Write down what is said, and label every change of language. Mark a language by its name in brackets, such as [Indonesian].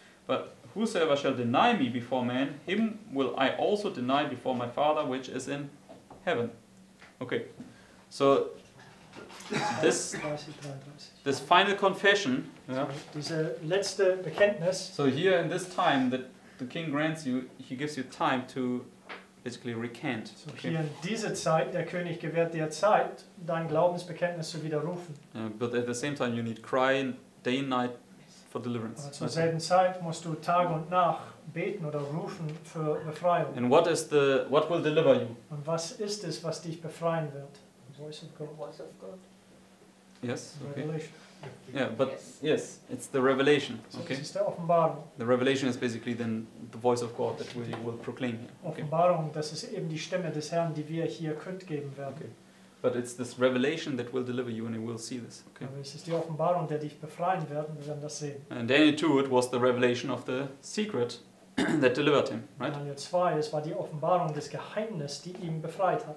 [English] But whosoever shall deny me before men, him will I also deny before my Father which is in heaven. Okay, so this, this final confession, yeah, [German] diese letzte Bekenntnis, [English] so here in this time that the king grants you, he gives you time to basically recant. So okay. [German] Hier in dieser Zeit, der König gewährt dir Zeit, dein Glaubensbekenntnis zu widerrufen. [English] Yeah, but at the same time you need cry day and night for deliverance. [German] Aber zur selben Zeit musst du Tag und Nacht beten oder rufen für Befreiung. [English] And what is the, what will deliver you? [German] Und was ist es, was dich befreien wird? [English] Voice of God. Voice of God. Yes, okay. Revelation. Yeah, but yes, it's the revelation. Okay. [German] So, es ist der Offenbarung. [English] The revelation is basically then the voice of God that we will proclaim here. Okay. [German] Offenbarung, das ist eben die Stimme des Herrn, die wir hier kundgeben werden. [English] Okay. But it's this revelation that will deliver you, and you will see this. Okay. [German] Aber es ist die Offenbarung, der dich befreien wird, und wir werden das sehen. [English] And Daniel 2, it was the revelation of the secret that delivered him, right? [German] Daniel 2, es war die Offenbarung des Geheimnisses, die ihn befreit hat.